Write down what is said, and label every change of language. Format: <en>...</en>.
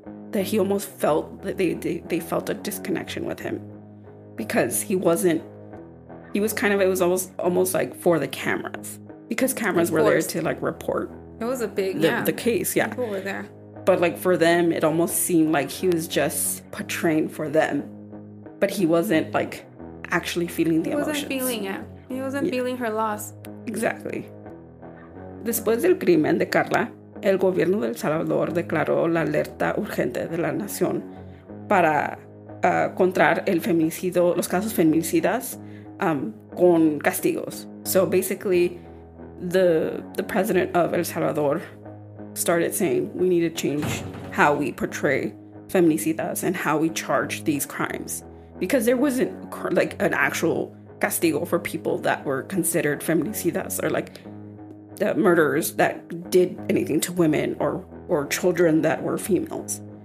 <en>That he almost felt that they felt a disconnection with him because he wasn't, he was kind of, it was almost like for the cameras, because cameras were there to like report. It was a big, the case, yeah. People were there. But like for them, it almost seemed like he was just portraying for them, but he wasn't like actually feeling the emotions. He wasn't feeling it. He wasn't feeling her loss. Exactly.</en> <es>Después del crimen de Karla, el gobierno de El Salvador declaró la alerta urgente de la nación para contrar el feminicidio, los casos feminicidas, con castigos.</es> <en>So basically, the president of El Salvador started saying, we need to change how we portray feminicidas and how we charge these crimes. Because there wasn't like an actual castigo for people that were considered feminicidas or like the murderers that did anything to women or children that were females.</en>